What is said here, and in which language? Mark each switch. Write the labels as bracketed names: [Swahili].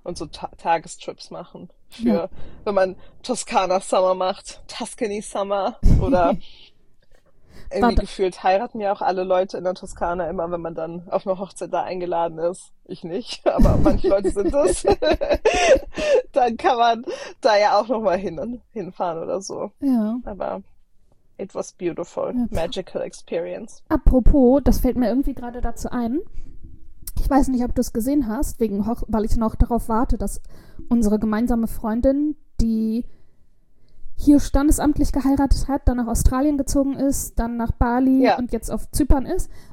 [German] Und so Ta Tagestrips machen für, wenn man Toskana Summer macht, Tuscany Summer oder irgendwie Warte. gefühlt heiraten ja auch alle Leute in der Toskana immer, wenn man dann auf eine Hochzeit da eingeladen ist. Ich nicht, aber manche Leute sind es. Dann kann man da ja auch nochmal hinfahren oder so. Aber [English] it was beautiful, magical experience. [German] Apropos, das fällt mir irgendwie gerade dazu ein. Ich weiß nicht, ob du es gesehen hast, wegen Hoch weil ich noch darauf warte, dass unsere gemeinsame Freundin, die hier standesamtlich geheiratet hat, dann nach Australien gezogen ist, dann nach Bali Ja. und jetzt auf Zypern ist.